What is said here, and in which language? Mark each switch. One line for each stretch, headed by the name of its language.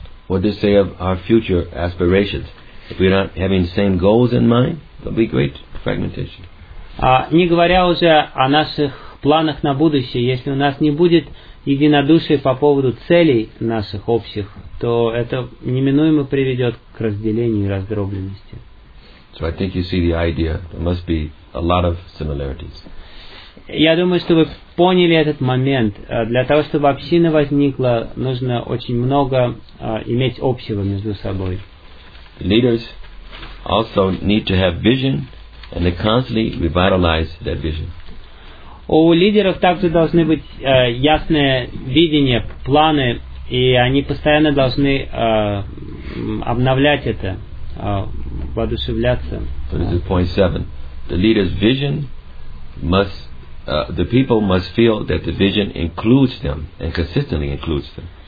English: What does it say of our future aspirations? If we're not having the same goals in mind, there'll be great fragmentation.
Russian: Не говоря уже о наших планах на будущее, если у нас не будет единодушия по поводу целей наших общих, то это неминуемо приведет к разделению и раздробленности.
English: So I think you see the idea. There must be a lot of similarities.
Russian: Я думаю, что вы поняли этот момент. Для того, чтобы община возникла, нужно очень много иметь общего между собой.
English: The leaders also need to have vision and they constantly revitalize that vision.
Russian: У лидеров также должны быть ясное видение, планы, и они постоянно должны обновлять это, воодушевляться.
English: So this is point seven. The leader's vision must, the people must feel that the vision includes them and consistently includes them.